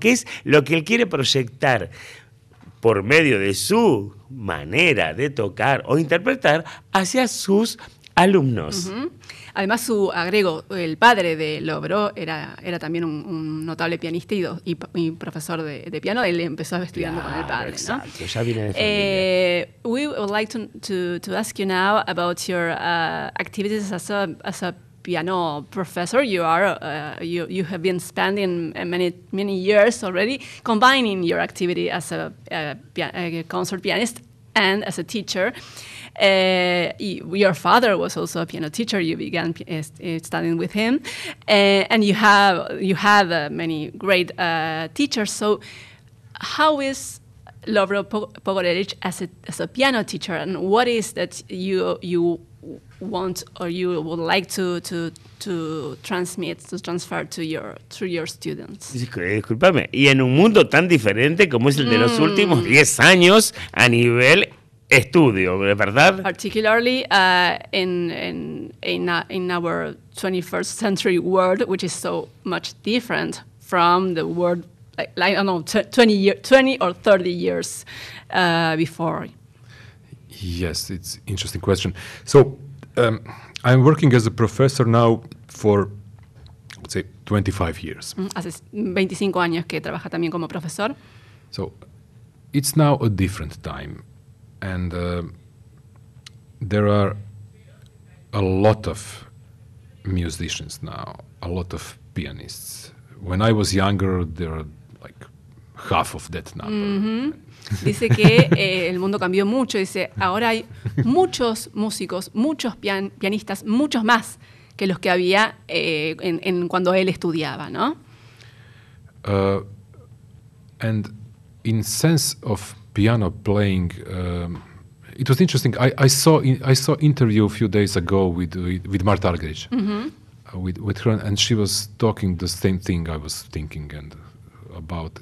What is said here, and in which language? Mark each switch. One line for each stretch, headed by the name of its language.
Spanish: ¿Qué es lo que él quiere proyectar por medio de su manera de tocar o interpretar hacia sus alumnos? Uh-huh. Además, el padre de Lovro era también un notable pianista y profesor de piano. Él empezó estudiando claro, con el padre. Exacto, ¿no? Ya viene de familia.
English: We would like to ask you now about your activities as a piano professor. You are you have been spending many years already combining your activity as a concert pianist and as a teacher. Your father was also a piano teacher. You began studying with him, and you have many great teachers. So, how is Lovro Pogorevich as a piano teacher, and what is that you want or you would like to transfer to your students?
Spanish: Disculpame. Y en un mundo tan diferente como es el de los últimos 10 años a nivel estudio, ¿verdad?
English: Particularly in our 21st century world, which is so much different from the world like I don't know 20 or 30 years before. Yes, it's an interesting question. So I'm working as a professor now for, let's say, 25 years.
Spanish: Hace 25 años que trabaja también como profesor.
English: So, it's now a different time. And there are a lot of musicians now, a lot of pianists. When I was younger, there are like half of that number.
Spanish: Mm-hmm. Dice que el mundo cambió mucho. Dice, ahora hay muchos músicos, muchos pianistas, muchos más que los que había en cuando él estudiaba, ¿no?
English: And in sense of piano playing, it was interesting. I saw interview a few days ago with Marta Argerich, mm-hmm. With her, and she was talking the same thing I was thinking and about.